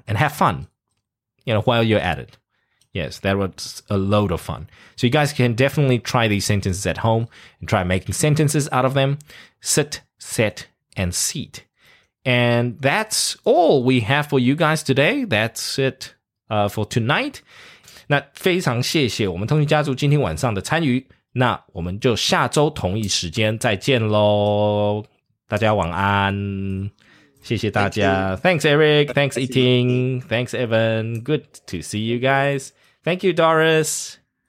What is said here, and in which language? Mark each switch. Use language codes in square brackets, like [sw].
[en] And have fun, you know, while you're at it. Yes, that was a load of fun. So you guys can definitely try these sentences at home and try making sentences out of them. Sit, set, and seat. And that's all we have for you guys today. That's it for tonight. [zh] 那非常谢谢我们通讯家族今天晚上的参与，那我们就下周同一时间再见咯，大家晚安，谢谢大家。 [en] Thanks Eric, thanks Eating, thanks Evan, good to see you guys, thank you Doris.